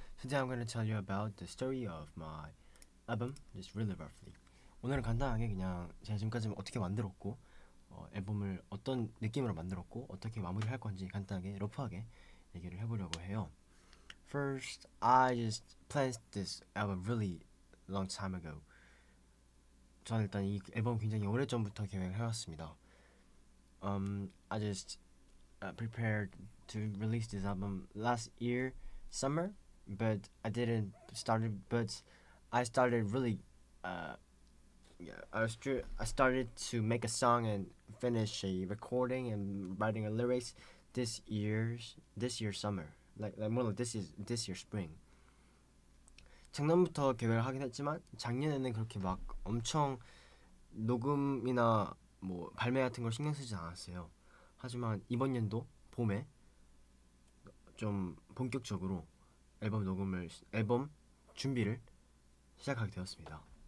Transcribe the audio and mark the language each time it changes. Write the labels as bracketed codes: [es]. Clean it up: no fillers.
[en] Today I'm going to tell you about the story of my album, just really roughly. [ko] 오늘은 간단하게 그냥 제가 지금까지 어떻게 만들었고, 앨범을 어떤 느낌으로 만들었고, 어떻게 마무리할 건지 간단하게, 러프하게 얘기를 해보려고 해요. [en] First, I just planned this album really long time ago. [ko] 저는 일단 이 앨범 굉장히 오래전부터 계획을 해왔습니다. [en] I just prepared to release this album last year summer, but I didn't start it, but I started really I started to make a song and finish a recording and writing a lyrics this year summer, like more like this year spring. [ko] 작년부터 계획을 하긴 했지만 작년에는 그렇게 막 엄청 녹음이나 뭐 발매 같은 걸 신경 쓰지 않았어요. 하지만 이번 연도 봄에 좀 본격적으로 앨범 준비를 시작하게 되었습니다.